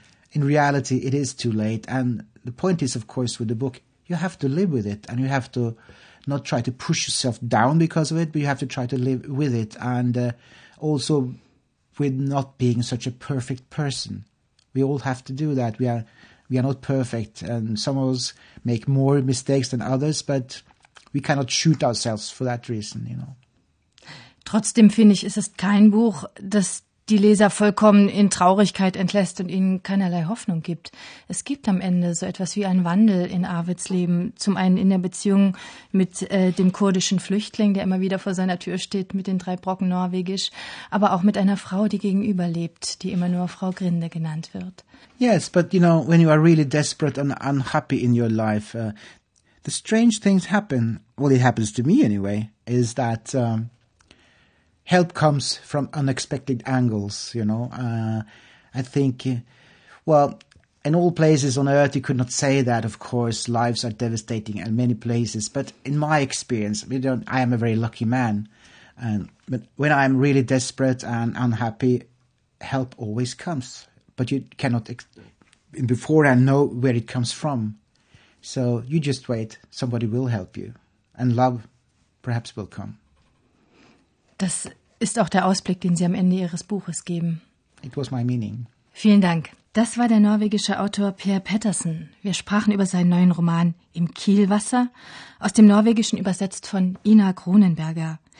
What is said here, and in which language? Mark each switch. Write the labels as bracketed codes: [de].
[en] In reality, it is too late. And the point is, of course, with the book, you have to live with it and you have to not try to push yourself down because of it, but you have to try to live with it. And also with not being such a perfect person. We all have to do that. We are not perfect, and some of us make more mistakes than others, but we cannot shoot ourselves for that reason, you know. [de] Trotzdem finde ich, es ist kein Buch, das die Leser vollkommen in Traurigkeit entlässt und ihnen keinerlei Hoffnung gibt. Es gibt am Ende so etwas wie einen Wandel in Arvids Leben. Zum einen in der Beziehung mit dem kurdischen Flüchtling, der immer wieder vor seiner Tür steht, mit den drei Brocken Norwegisch, aber auch mit einer Frau, die gegenüber lebt, die immer nur Frau Grinde genannt wird. [en] Yes, but you know, when you are really desperate and unhappy in your life, the strange things happen, well, it happens to me anyway, is that help comes from unexpected angles, you know. I think, well, in all places on earth, you could not say that, of course, lives are devastating in many places. But in my experience, I am a very lucky man. But when I'm really desperate and unhappy, help always comes. But you cannot beforehand know where it comes from. So you just wait, somebody will help you. And love perhaps will come. [de] Das ist auch der Ausblick, den Sie am Ende Ihres Buches geben. [en] It was my meaning. [de] Vielen Dank. Das war der norwegische Autor Per Pettersen. Wir sprachen über seinen neuen Roman Im Kielwasser, aus dem Norwegischen übersetzt von Ina Kronenberger.